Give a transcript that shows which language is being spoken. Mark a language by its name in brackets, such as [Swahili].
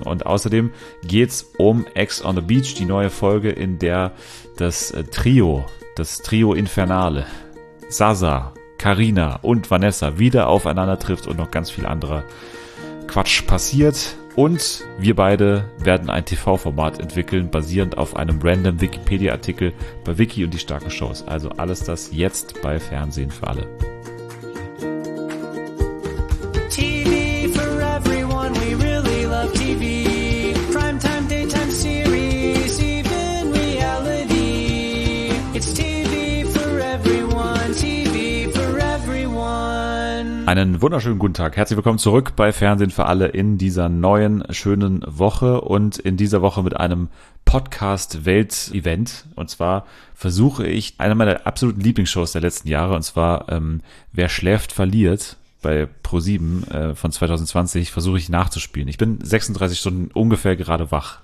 [German] Und außerdem geht's um Ex on the Beach, die neue Folge, in der das Trio Infernale, Sasa, Carina und Vanessa wieder aufeinander trifft und noch ganz viel anderer Quatsch passiert. Und wir beide werden ein TV-Format entwickeln, basierend auf einem random Wikipedia-Artikel bei Wiki und die starken Shows. Also alles das jetzt bei Fernsehen für alle. [English] TV for everyone, we really love TV. Primetime, daytime series, even reality. It's TV for everyone, TV for everyone. [German] Einen wunderschönen guten Tag. Herzlich willkommen zurück bei Fernsehen für alle in dieser neuen, schönen Woche und in dieser Woche mit einem Podcast-Welt-Event. Und zwar versuche ich eine meiner absoluten Lieblingsshows der letzten Jahre, und zwar Wer schläft, verliert bei ProSieben von 2020, versuche ich nachzuspielen. Ich bin 36 Stunden ungefähr gerade wach.